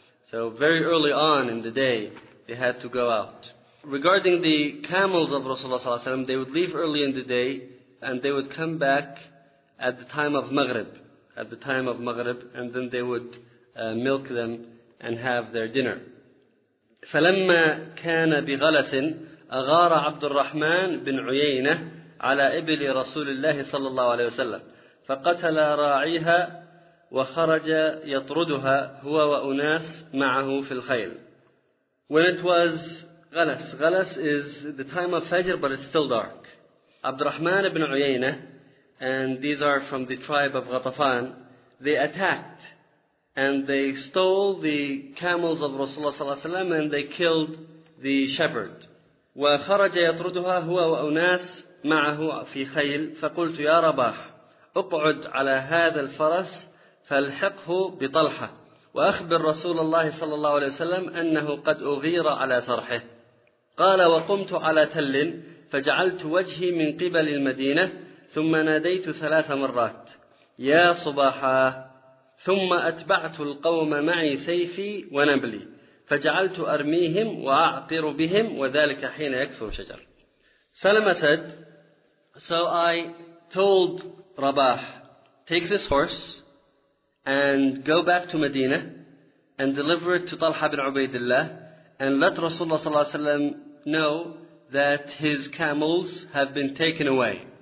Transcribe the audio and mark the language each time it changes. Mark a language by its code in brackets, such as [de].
[en] So very early on in the day, they had to go out. Regarding the camels of Rasulullah ﷺ, they would leave early in the day, and they would come back at the time of Maghrib. At the time of Maghrib, and then they would milk them and have their dinner. [ar] فلما كان بغلس أغار عبد الرحمن بن عيينة على إبل رسول الله صلى الله عليه وسلم فقتل راعيها وخرج يطردها هو وأناس معه في الخيل. [en] When it was غلس, غلس is the time of Fajr but it's still dark. عبد الرحمن بن عيينة and these are from the tribe of غطفان, they attacked and they stole the camels of Rasulullah صلى الله عليه وسلم and they killed the shepherd. [ar] وخرج يطردها هو وأناس معه في خيل فقلت يا رباح اقعد على هذا الفرس فالحقه بطلحة وأخبر رسول الله صلى الله عليه وسلم أنه قد أغير على صرحه. قال وقمت على تل فجعلت وجهي من قبل المدينة ثم ناديت ثلاث مرات يا صباحا ثم أتبعت القوم معي سيفي ونبلي فجعلت أرميهم وأعقر بهم وذلك حين يكثر شجر. [en] سلمة said, so I told Rabah, take this horse and go back to Medina and deliver it to Talha bin Ubaidillah and let Rasulullah صلى الله عليه وسلم know that his camels have been taken away.